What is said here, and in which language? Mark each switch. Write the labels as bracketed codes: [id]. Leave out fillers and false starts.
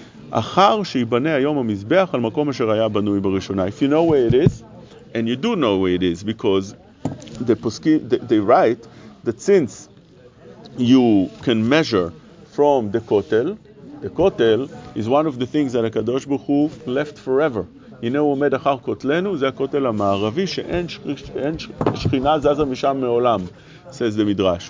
[he] אחר שיבנה היום המזבח על מקום אשר היה בנוי בראשונה. [en] If you know where it is, and you do know where it is, because they write that since you can measure from the Kotel is one of the things that HaKadosh Baruch Hu left forever. You know, [he] עומד אחר כותלנו, זה הכותל המערבי שאין שכינה זזה משם מעולם, [en] says the Midrash.